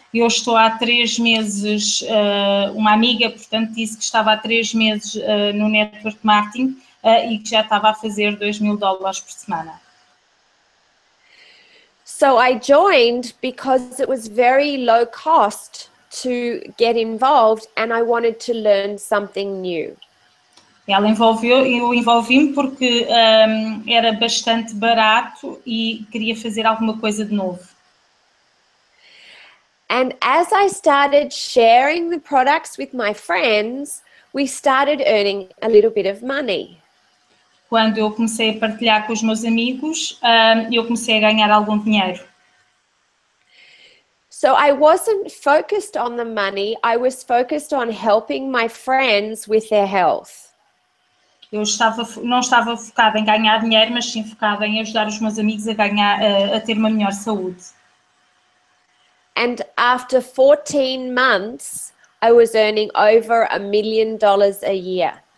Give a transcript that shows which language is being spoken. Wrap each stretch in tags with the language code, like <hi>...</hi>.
<pt>Eu estou há três meses, uma amiga, portanto, disse que estava há três meses no network marketing e que já estava a fazer $2,000 por semana.</pt> <en>So I joined because it was very low cost to get involved and I wanted to learn something new.</en> <pt>Ela envolveu, eu envolvi-me porque era bastante barato e queria fazer alguma coisa de novo.</pt> <en>And as I started sharing the products with my friends, we started earning a little bit of money.</en> <pt>Quando eu comecei a partilhar com os meus amigos, eu comecei a ganhar algum dinheiro.</pt> <en>So I wasn't focused on the money, I was focused on helping my friends with their health.</en> <pt>Eu estava, não estava focada em ganhar dinheiro, mas sim focada em ajudar os meus amigos a ganhar, a ter uma melhor saúde.</pt> <en>And after 14 months, I was earning over $1 million a year.</en>